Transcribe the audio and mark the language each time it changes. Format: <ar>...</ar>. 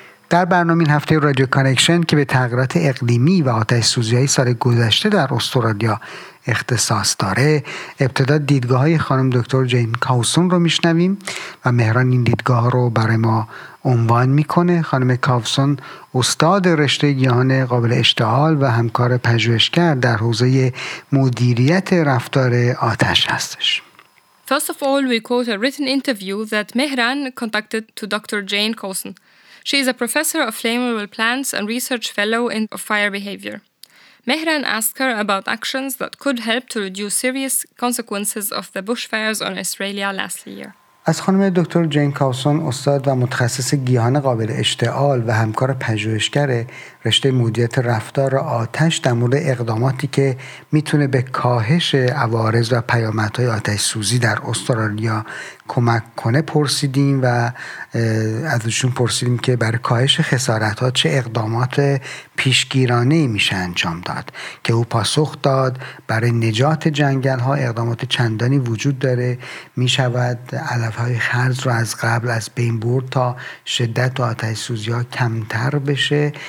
<fa>در برنامه این هفته رادیو کانکشن که به تغییرات اقلیمی و آتش سوزی‌های سال گذشته در استرالیا اختصاص داره، ابتدا دیدگاه های خانم دکتر جین کاوسون رو میشنویم و مهران این دیدگاه رو برای ما عنوان میکنه. خانم کاوسون استاد رشته گیاهان قابل اشتعال و همکار پژوهشگر در حوزه مدیریت رفتار آتش هستش.</fa> <en>First of all, we quote a written interview that Mehran conducted to Dr. Jane Cousin. She is a professor of flammable plants and research fellow in fire behavior. Mehran asked her about actions that could help to reduce serious consequences of the bushfires on Australia last year.</en> <fa>از خانم دکتر جین کاوسون، استاد و متخصص گیاهان قابل اشتعال و همکار پژوهشگر رشته مدیریت رفتار آتش، در مورد اقداماتی که میتونه به کاهش عوارض و پیامدهای آتش سوزی در استرالیا کمک کنه پرسیدیم و ازشون پرسیدیم که برای کاهش خسارت ها چه اقدامات پیشگیرانه میشه انجام داد، که او پاسخ داد برای نجات جنگل ها اقدامات چندانی وجود داره، میشود علف های خرز رو از قبل از بین برد تا شدت و آتش سوزی ها کمتر بشه.</fa>